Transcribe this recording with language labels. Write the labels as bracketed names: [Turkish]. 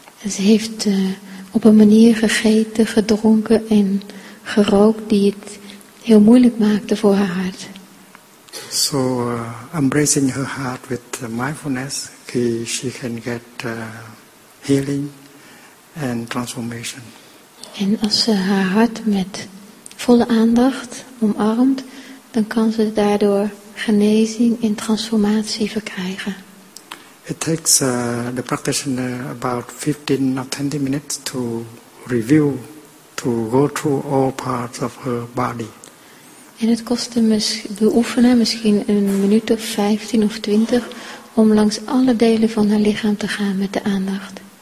[Dutch] Ze heeft op een manier gegeten, gedronken en gerookt die het heel moeilijk maakte voor haar hart. [English] So embracing her heart with mindfulness, she can get healing and transformation. [Dutch] En als ze haar hart met volle aandacht omarmt, dan kan ze daardoor genezing en transformatie verkrijgen. [English] It takes the practitioner about 15 or 20 minutes to review, to go through all parts of her body. [Dutch] En het kost de oefenaar misschien een minuut of 15 of 20 om langs alle delen van haar lichaam te gaan met de aandacht.